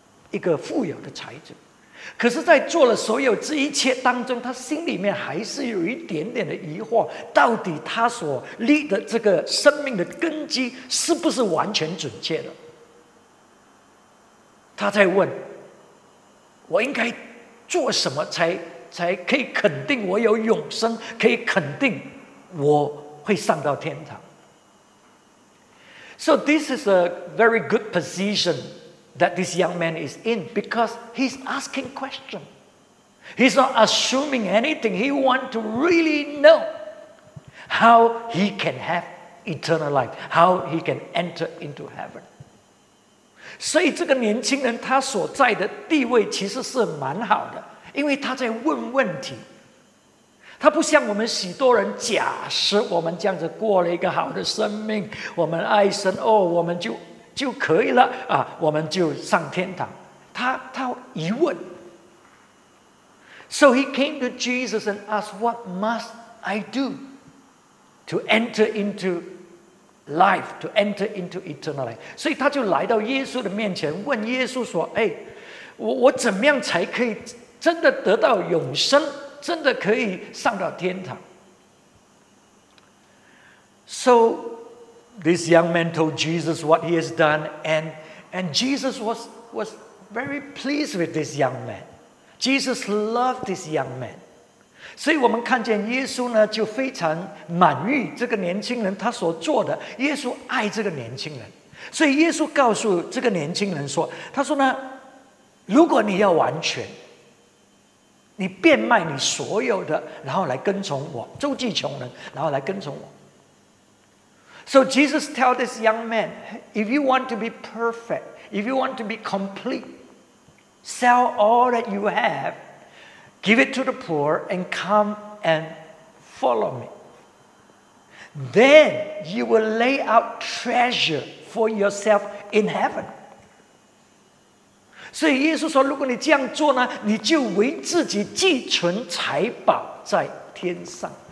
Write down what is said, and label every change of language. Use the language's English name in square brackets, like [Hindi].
[Chinese] 一个富有的财主，可是在做了所有这一切当中，他心里面还是有一点点的疑惑，到底他所立的这个生命的根基是不是完全准确的？他在问，我应该做什么才可以肯定我有永生，可以肯定我会上到天堂。 [English] So this is a very good positionthat this young man is in, because he's asking questions. He's not assuming anything. He wants to really know how he can have eternal life, how he can enter into heaven. [Chinese] 所以这个年轻人他所在的地位其实是蛮好的，因为他在问问题。他不像我们许多人假设我们这样子过了一个好的生命，我们爱神，哦，我们就可以了，我们就上天堂。他疑问。 [English] So he came to Jesus and asked, what must I do to enter into life, to enter into eternal life? [Chinese] 所以他就来到耶稣的面前，问耶稣说，哎，我怎么样才可以真的得到永生，真的可以上到天堂？ [English] SoThis young man told Jesus what he has done, and Jesus was very pleased with this young man. Jesus loved this young man. [Chinese] 所以我们看见耶稣呢，就非常满意这个年轻人他所做的。耶稣爱这个年轻人，所以耶稣告诉这个年轻人说：“他说呢，如果你要完全，你变卖你所有的，然后来跟从我，周济穷人，然后来跟从我。” [English] So Jesus tells this young man, if you want to be perfect, if you want to be complete, sell all that you have, give it to the poor, and come and follow me. Then you will lay out treasure for yourself in heaven. [Chinese] 所以耶稣说，如果你这样做呢，你就为自己积存财宝在天上。